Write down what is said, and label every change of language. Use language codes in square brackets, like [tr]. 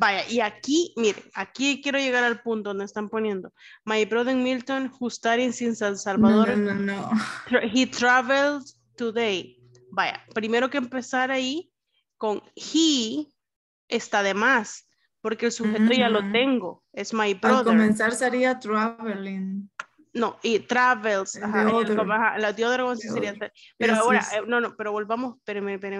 [es] Vaya, y aquí, mire, aquí quiero llegar al punto donde están poniendo. [en] My brother Milton, who studies in San Salvador. No. He traveled today. [es] Vaya, primero que empezar ahí con he está de más, porque el sujeto ya lo tengo. [en] Es my brother. [es] Al comenzar sería traveling. No, y travels. [en] The other one [es] sería. Pero yes, ahora, yes. No, pero volvamos. Espérenme.